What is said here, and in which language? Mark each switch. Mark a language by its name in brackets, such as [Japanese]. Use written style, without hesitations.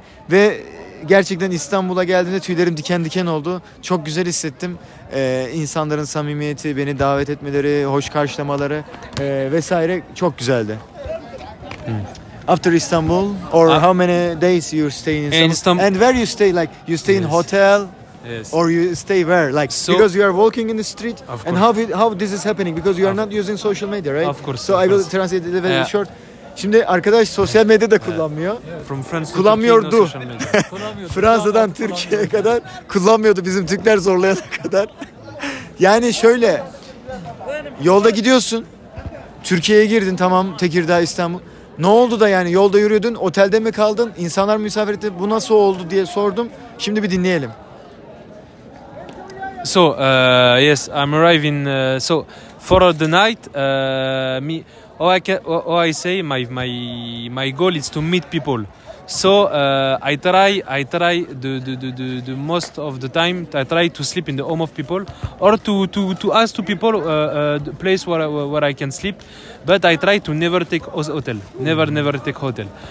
[Turkish] Ve gerçekten İstanbul'a geldiğimde tüylerim diken diken oldu. Çok güzel hissettim. İnsanların samimiyeti, beni davet etmeleri, hoş karşılamaları vesaire çok güzeldi. Hmm. [English] After Istanbul, or how many days you stay in Istanbul? And where you stay, like you stay in hotel? Yes. Or you stay where, like, so, because you are walking in the street, and how this is happening, because you are not using social media, right? Of course. So I will translate it very short. [Turkish] Şimdi arkadaş sosyal medya da kullanmıyor. [English] From France to [Turkish] kullanmıyordu. Fransa'dan Türkiye'ye kadar kullanmıyordu, bizim Türkler zorlayana kadar. Yani şöyle, yolda gidiyorsun, Türkiye'ye girdin, tamam, Tekirdağ, İstanbul. Ne oldu da yani yolda yürüyordun, otelde mi kaldın, insanlar mı misafir etti, bu nasıl oldu diye sordum. Şimdi bir dinleyelim. [English] So, yes, I'm arriving, so, for the night, me, I say, my goal is to meet people. So, I try the most of the time, I try to sleep in the home of people, or to ask to people the place where I can sleep, but I try to never take hotel, never take hotel.